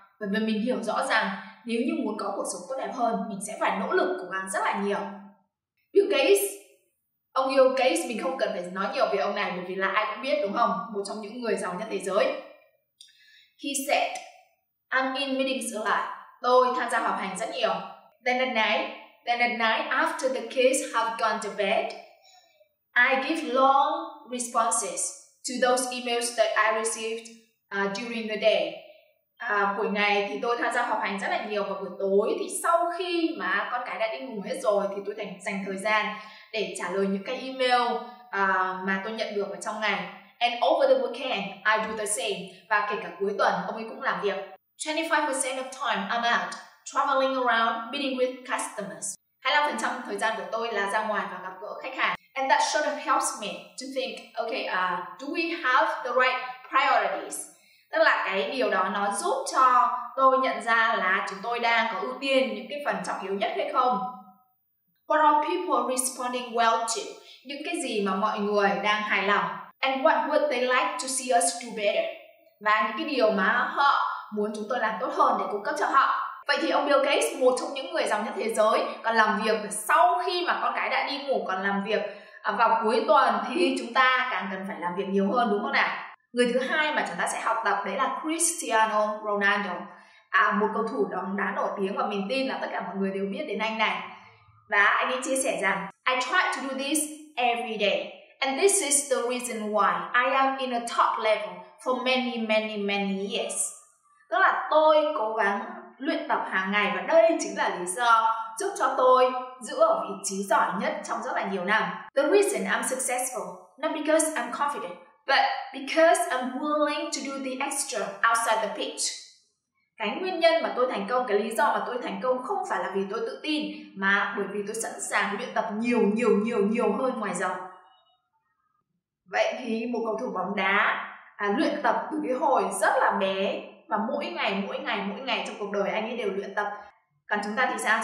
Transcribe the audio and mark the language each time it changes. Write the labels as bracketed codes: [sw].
[vi] Bởi vì mình hiểu rõ rằng nếu như muốn có cuộc sống tốt đẹp hơn, mình sẽ phải nỗ lực cố gắng rất là nhiều. Bill Gates, ông Bill Gates, mình không cần phải nói nhiều về ông này bởi vì là ai cũng biết đúng không? Một trong những người giàu nhất thế giới. [en] He said, I'm in meetings a lot. [vi] Tôi tham gia họp hành rất nhiều. [en] Then at night after the kids have gone to bed, I give long responses to those emails that I received during the day. [vi] Buổi ngày thì tôi tham gia họp hành rất là nhiều, và buổi tối thì sau khi mà con cái đã đi ngủ hết rồi thì tôi dành thời gian để trả lời những cái email mà tôi nhận được ở trong ngày. [en] And over the weekend I do the same. [vi] Và kể cả cuối tuần ông ấy cũng làm việc. [en] 25% of time I'm out traveling around meeting with customers. [vi] 25% thời gian của tôi là ra ngoài và gặp gỡ khách hàng. [en] And that sort of helps me to think, okay, do we have the right priorities? [vi] Tức là cái điều đó nó giúp cho tôi nhận ra là chúng tôi đang có ưu tiên những cái phần trọng yếu nhất hay không. [en] What are people responding well to? [vi] Những cái gì mà mọi người đang hài lòng. [en] And what would they like to see us do better? [vi] Và những cái điều mà họ muốn chúng tôi làm tốt hơn để cung cấp cho họ. Vậy thì ông Bill Gates, một trong những người giàu nhất thế giới, còn làm việc sau khi mà con cái đã đi ngủ, còn làm việc vào cuối tuần, thì chúng ta càng cần phải làm việc nhiều hơn, đúng không nào? Người thứ hai mà chúng ta sẽ học tập đấy là Cristiano Ronaldo, một cầu thủ bóng đá nổi tiếng, và mình tin là tất cả mọi người đều biết đến anh này. Và anh ấy chia sẻ rằng [en] I try to do this every day and this is the reason why I am in a top level for many many many years. [vi] Tức là tôi cố gắng luyện tập hàng ngày và đây chính là lý do giúp cho tôi giữ ở vị trí giỏi nhất trong rất là nhiều năm. [en] The reason I'm successful, not because I'm confident, but because I'm willing to do the extra outside the pitch. [vi] Cái nguyên nhân mà tôi thành công, cái lý do mà tôi thành công không phải là vì tôi tự tin, mà bởi vì tôi sẵn sàng luyện tập nhiều hơn ngoài giờ. Vậy thì một cầu thủ bóng đá luyện tập từ cái hồi rất là bé, và mỗi ngày trong cuộc đời anh ấy đều luyện tập. Còn chúng ta thì sao?